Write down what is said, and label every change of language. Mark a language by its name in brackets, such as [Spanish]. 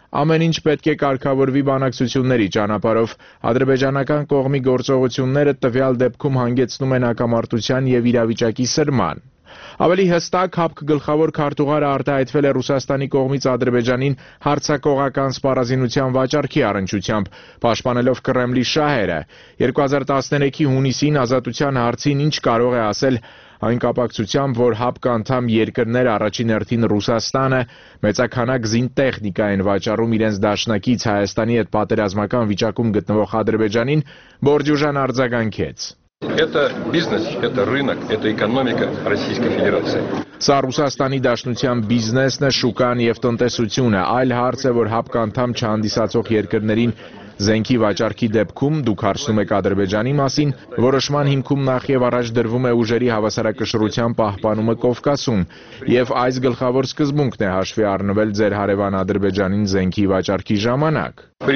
[Armenian] «Ամեն ինչ պետք է կարգավորվի բանակցությունների ճանապարհով. Ադրբեջանական կողմի գործողությունները տվյալ դեպքում հանգեցնում են ակամարտության և իրավիճակի սրման»։ Ավելի հստակ, ՀԱՊԿ գլխավոր քարտուղարը արտահայտվել է Ռուսաստանի կողմից Ադրբեջանին հարցակողական սպառազինության վաճառքի առնչությամբ, պաշտպանելով Կրեմլի շահերը։ 2013-ի հունիսին ազատության հարցին ինչ կարող է ասել այն կապակցությամբ, որ ՀԱՊԿ անդամ երկրներ առաջին հերթին Ռուսաստանը մեծականակ զինտեխնիկա են վաճառում իրենց դաշնակից Հայաստանի հետ պատերազմական վիճակում գտնվող Ադրբեջանին, Բորդյուժան արձագանքեց. [Russian] Это бизнес, это рынок, это экономика Российской Федерации. [Armenian] Սա Ռուսաստանի դաշնության բիզնեսն է, շուկան եւ տնտեսությունը, այլ հարց է, որ ՀԱՊԿ անդամ չհանդիսացող երկրներին Զենքի վաճառքի դեպքում դուք հարցնում եք Ադրբեջանի մասին, որոշման հիմքում նախ եւ առաջ դրվում է ուժերի հավասարակշռության պահպանումը Կովկասում, եւ այս գլխավոր սկզբունքն է հաշվի առնվել ձեր հարևան Ադրբեջանին զենքի վաճառքի ժամանակ։